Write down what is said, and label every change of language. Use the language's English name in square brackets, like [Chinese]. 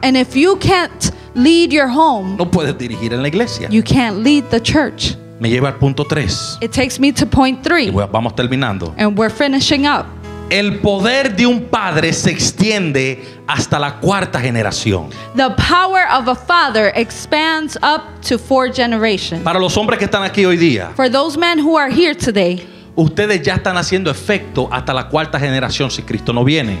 [English] and if you can't lead your home, [Spanish] no puedes dirigir en la iglesia. [English] You can't lead the church. [Spanish] Me lleva al punto 3. [English] It takes me to point 3. [Spanish] Y vamos terminando. [English] And we're finishing up. [Spanish] El poder de un padre se extiende hasta la cuarta generación. [English] The power of a father expands up to 4 generations. [Spanish] Para los hombres que están aquí hoy día. [English] For those men who are here today. [Spanish] Ustedes ya están haciendo efecto hasta la cuarta generación si Cristo no viene.